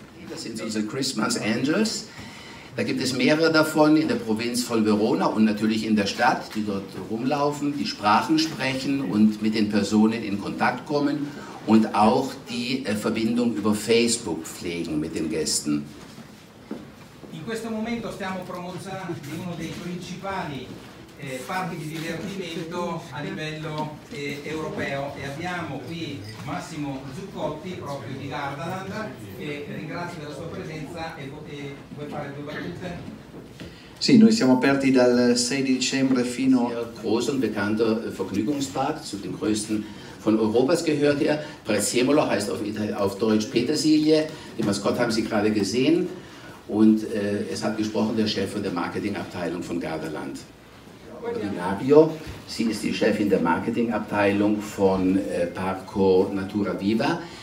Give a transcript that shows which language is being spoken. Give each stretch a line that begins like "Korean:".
German: Das sind unsere Christmas Angels. Da gibt es mehrere davon in der Provinz von Verona und natürlich in der Stadt, die dort rumlaufen, die Sprachen sprechen und mit den Personen in Kontakt kommen und auch die Verbindung über Facebook pflegen mit den Gästen.
Italian: In questo momento stiamo promuovendo uno dei principali parchi di divertimento a livello europeo, e abbiamo qui Massimo Zuccotti proprio di Gardaland, che ringrazio della sua presenza e vuoi fare due battute? Sì, noi siamo aperti dal 6 di dicembre fino a...
German: Großer und bekannter Vergnügungspark, zu den größten von Europas gehört er. Prezzemolo heißt auf Deutsch Petersilie, die Maskotte haben Sie gerade gesehen, und es hat gesprochen der Chef von der Marketingabteilung von Gardaland. Nabio, sie ist die Chefin der Marketingabteilung von Parco Natura Viva.